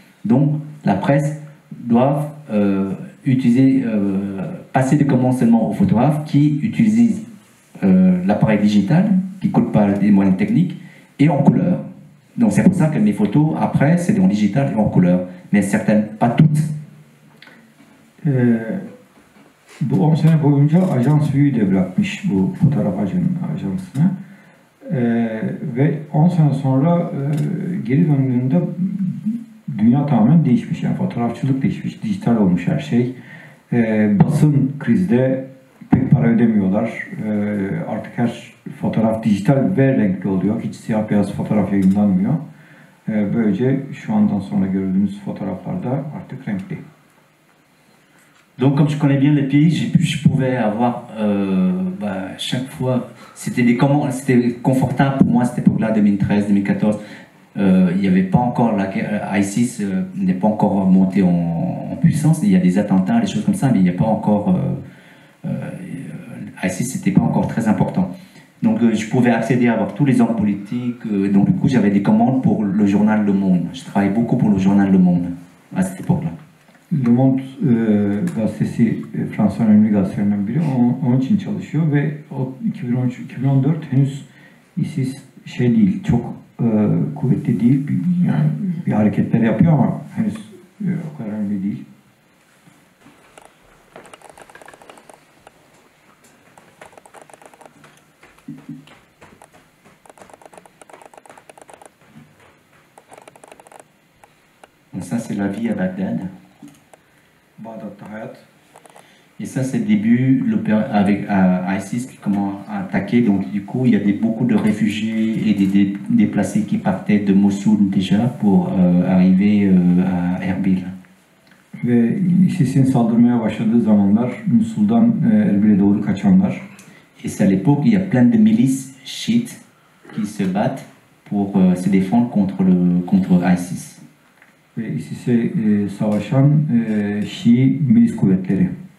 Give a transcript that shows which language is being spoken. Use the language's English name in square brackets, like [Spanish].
[French] Donc la presse doit utiliser... passer de commencement aux photographes qui utilisent l'appareil digital, qui ne coûte pas des moyens techniques, et en couleur. Donc c'est pour ça que mes photos, après, c'est en digital et en couleur. Mais certaines, pas toutes. [Turkish] Bu 10 sene boyunca ajans Vue'yu de bırakmış bu fotoğraf ajansına. Ve 10 sene sonra geri döndüğünde dünya tamamen değişmiş. Yani fotoğrafçılık değişmiş, dijital olmuş her şey. Basın krizde pek para ödemiyorlar. Artık her fotoğraf dijital ve renkli oluyor. Hiç siyah beyaz fotoğraf yayınlanmıyor. Böylece şu andan sonra gördüğümüz fotoğraflar da artık renkli. [French] Donc comme je connais bien le pays, je pouvais avoir chaque fois c'était confortable pour moi à cette époque-là 2013-2014. Il n'y avait pas encore la guerre, ISIS n'est pas encore monté en puissance, il y a des attentats, des choses comme ça, mais il n'y a pas encore, ISIS n'était pas encore très important. Donc je pouvais accéder à avoir tous les hommes politiques, donc du coup j'avais des commandes pour le journal Le Monde. Je travaillais beaucoup pour le journal Le Monde à cette époque-là. [Turkish] Le Monde, gazetesi, Fransa'nın önemli gazetelerinden biri, onun için çalışıyor ve 2013-2014 henüz ISIS şey değil, çok kuvvetli değil, yani bir hareketler yapıyor ama henüz o kadar önemli değil. [French] Et ça c'est la vie à Bagdad. [Turkish] Bagdad hayat. [French] Et ça c'est le début avec ISIS qui commence à attaquer, donc du coup il y a beaucoup de réfugiés et des déplacés qui partaient de Mossoul déjà pour arriver à Erbil. [Turkish] Ve ISIS'in saldırmaya başladığı zamanlar Mossoul'dan Erbil'e doğru kaçanlar. [French] Et c'est à l'époque il y a plein de milices chiites qui se battent pour se défendre contre ISIS. [Turkish] Ve ISIS'e savaşan Şii milis kuvvetleri.